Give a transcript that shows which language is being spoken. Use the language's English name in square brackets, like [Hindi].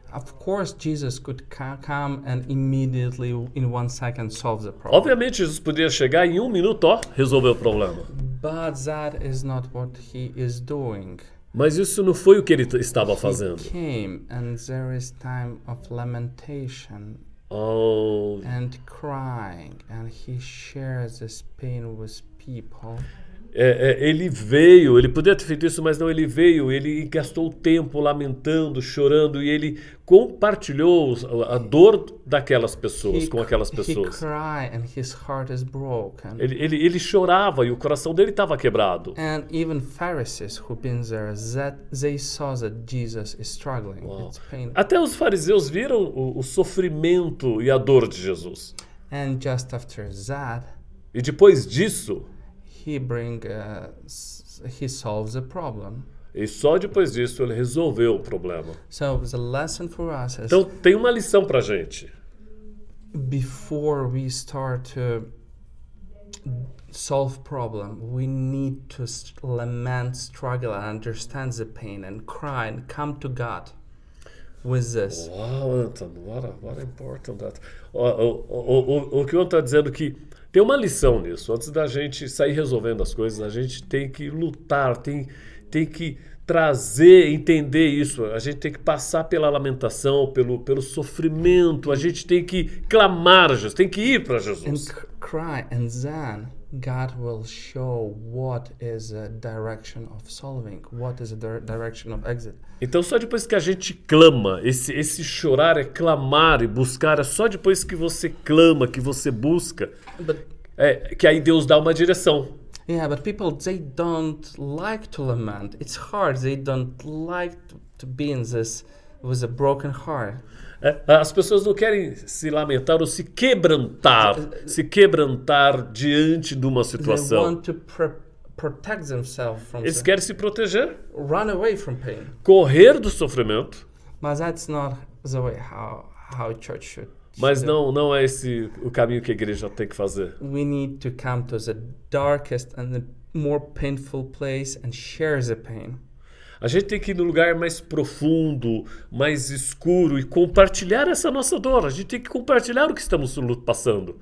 [English] Of course, Jesus could come and immediately, in one second, solve the problem. [Portuguese] Obviamente, Jesus podia chegar em um minuto, resolver o problema. [English] But that is not what he is doing. [Portuguese] Mas isso não foi o que ele estava fazendo. [English] He came and there is time of lamentation. Oh. And crying, and he shares this pain with people. [Portuguese] Ele veio, ele podia ter feito isso, mas não, ele veio, ele gastou tempo lamentando, chorando, e ele compartilhou a dor daquelas pessoas, com aquelas pessoas. [English] He cried and his heart is broken. [Portuguese] Ele chorava e o coração dele estava quebrado. [English] And even Pharisees who've been there, that they saw that Jesus is struggling. Wow. It's painful. [Portuguese] Até os fariseus viram o sofrimento e a dor de Jesus. [English] And just after that, [Portuguese] e depois disso, [English] he solves the problem. [Portuguese] E só depois disso ele resolveu o problema. [English] So the lesson for us is, [Portuguese] então tem uma lição para a gente. [English] Before we start to solve problem, we need to lament, struggle, and understand the pain and cry and come to God with this. Wow, Anton, what important that. [Portuguese] O que o Anton está dizendo que tem uma lição nisso. Antes da gente sair resolvendo as coisas, a gente tem que lutar, tem que trazer, entender isso. A gente tem que passar pela lamentação, pelo sofrimento. A gente tem que clamar a Jesus, tem que ir para Jesus. [English] And cry, and then God will show what is the direction of solving, what is the direction of exit. [Portuguese] Então só depois que a gente clama, esse chorar é clamar e buscar, é só depois que você clama, que você busca, que aí Deus dá uma direção. [English] Yeah, but people, they don't like to lament. It's hard, they don't like to be in this with a broken heart. [Portuguese] As pessoas não querem se lamentar ou se quebrantar diante de uma situação. [English] They want to protect themselves from. [Portuguese] Eles querem se proteger. [English] Run away from pain. [Portuguese] Correr do sofrimento. [English] Mas that's not the way how church should. [Portuguese] Mas não é esse o caminho que a igreja tem que fazer. [English] We need to come to the darkest and the more painful place and share the pain. [Portuguese] A gente tem que ir no lugar mais profundo, mais escuro e compartilhar essa nossa dor. A gente tem que compartilhar o que estamos passando.